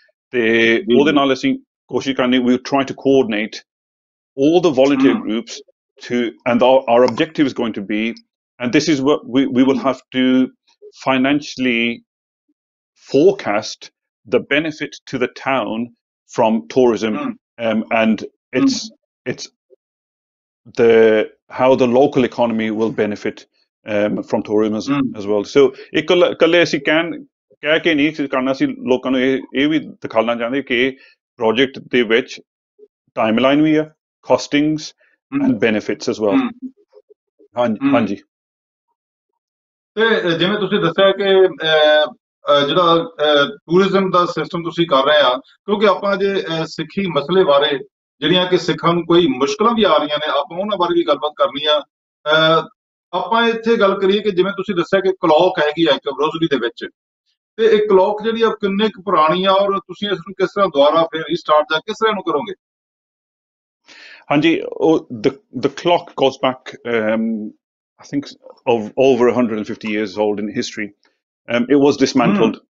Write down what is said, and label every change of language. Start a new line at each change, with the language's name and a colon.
Punjabi: ਤੇ ਉਹਦੇ ਨਾਲ ਅਸੀਂ ਕੋਸ਼ਿਸ਼ ਕਰਨੀ,
English: We try to coordinate all the volunteer groups to, and our objective is going to be, and this is what we will have to financially forecast the benefit to the town from tourism, and its its the how the local economy will benefit from tourism as well.
Punjabi: ਸੋ ਇੱਕ ਇਕੱਲੇ ਅਸੀਂ ਕਹਿ ਕੇ ਨਹੀਂ ਕਰਨਾ, ਅਸੀਂ ਲੋਕਾਂ ਨੂੰ ਇਹ ਵੀ ਦਿਖਾਉਣਾ ਚਾਹੁੰਦੇ ਕਿ ਪ੍ਰੋਜੈਕਟ ਦੇ ਵਿੱਚ
English: timeline we are, costings, and benefits as well.
Punjabi: Hanji. ਜਿਵੇਂ ਤੁਸੀਂ ਦੱਸਿਆ ਕਿ ਜਿਹੜਾ ਟੂਰਿਜ਼ਮ ਦਾ ਸਿਸਟਮ ਤੁਸੀਂ ਕਰ ਰਹੇ ਆ ਕਿਉਂਕਿ ਆਪਾਂ ਜੇ ਸਿੱਖੀ ਮਸਲੇ ਬਾਰੇ ਜਿਹੜੀਆਂ ਕਿ ਸਿੱਖਾਂ ਨੂੰ ਕੋਈ ਮੁਸ਼ਕਲਾਂ ਵੀ ਆ ਰਹੀਆਂ ਨੇ ਆਪਾਂ ਉਹਨਾਂ ਬਾਰੇ ਵੀ ਗੱਲਬਾਤ ਕਰਨੀ ਆ ਆਪਾਂ ਇੱਥੇ ਗੱਲ ਕਰੀਏ ਕਿ ਜਿਵੇਂ ਤੁਸੀਂ ਦੱਸਿਆ ਕਿ ਕਲੌਕ ਹੈਗੀ ਆ ਇੱਕ ਬਰੋਸਲੀ ਦੇ ਵਿੱਚ ਤੇ ਇਹ ਕਲੌਕ ਜਿਹੜੀ ਆ ਕਿੰਨੇ ਕੁ ਪੁਰਾਣੀ ਆ ਔਰ ਤੁਸੀਂ ਇਸ ਨੂੰ ਕਿਸ ਤਰ੍ਹਾਂ ਦੁਬਾਰਾ ਫਿਰ ਰੀਸਟਾਰਟ ਜਾਂ ਕਿਸ ਤਰ੍ਹਾਂ ਨੂੰ ਕਰੋਗੇ ਹਾਂਜੀ ਉਹ
English: Clock goes back I think of over 150 years old in history. It was dismantled.